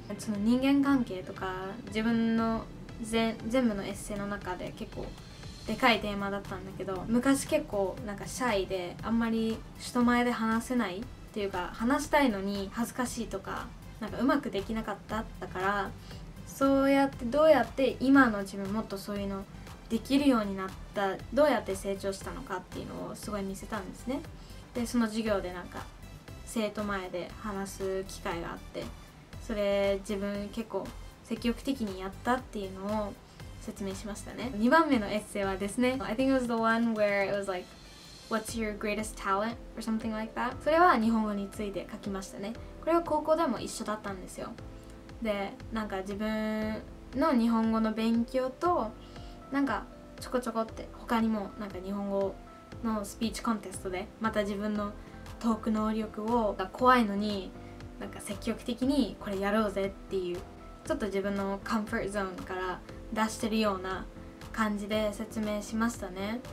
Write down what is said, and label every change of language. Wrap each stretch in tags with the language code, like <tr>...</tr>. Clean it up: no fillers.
<ja>その人間関係とか自分の全部のエッセイの中で結構でかいテーマだったんだけど、昔結構なんかシャイであんまり人前で話せないっていうか、話したいのに恥ずかしいとか、なんかうまくできなかった、だからそうやってどうやって今の自分もっとそういうのできるようになった、どうやって成長したのかっていうのをすごい見せたんですね。でその授業でなんか生徒前で話す機会があって、それ自分結構積極的にやったっていうのを説明しましたね。 2番目のエッセイはですね、</ja> <en>I think it was the one where it was like What's your greatest talent? or something like that.</en> <ja>それは日本語について書きましたね。これは高校でも一緒だったんですよ。でなんか自分の日本語の勉強と、なんかちょこちょこって他にもなんか日本語のスピーチコンテストでまた自分のトーク能力を、怖いのになんか積極的にこれやろうぜっていう、ちょっと自分のコンフォートゾーンから出してるような感じで説明しましたね。</ja>